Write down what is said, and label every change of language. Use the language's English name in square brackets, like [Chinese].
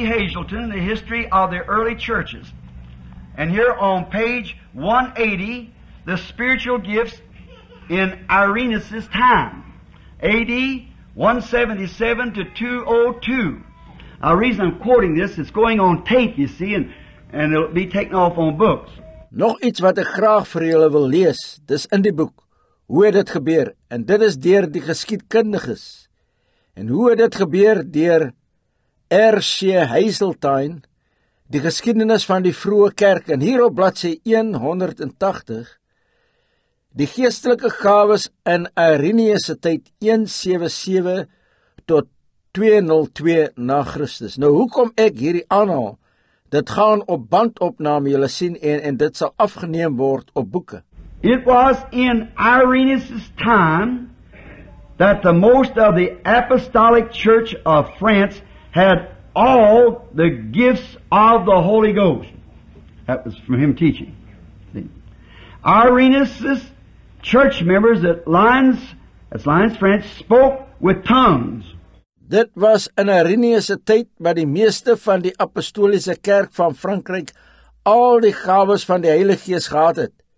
[English] Hazleton, The History of the Early Churches. And here on page 180, The Spiritual Gifts in Irenaeus' Time, A.D. 177 to 202. Now, the reason I'm quoting this, it's going on tape, you see, and it'll be taken off on books. [Afrikaans] Nog iets wat ik graag voor jullie wil lees, dis in die boek. Hoe het dit gebeur? En dit is deur die geskiedkundiges. En hoe het dit gebeur? Deur R.C. Hazeltine, die geskiedenis van die vroeë kerk. En hier op bladsy 180, die geestelike gawes in Irenaeus se tyd 177 tot 202 na Christus. Nou, hoekom ek hierdie aanhaal? Dit gaan op bandopname, julle sien, en dit sal afgeneem word op boeke. [English] It was in Irenaeus' time that the most of the apostolic church of France had all the gifts of the Holy Ghost. That was from him teaching. Irenaeus' church members at Lyons, that's Lyons, France, spoke with tongues. [Afrikaans] Dit was in Irenaeus' tyd waar die meeste van die apostoliese kerk van Frankryk al die gawes van die Heilige Gees gehad het.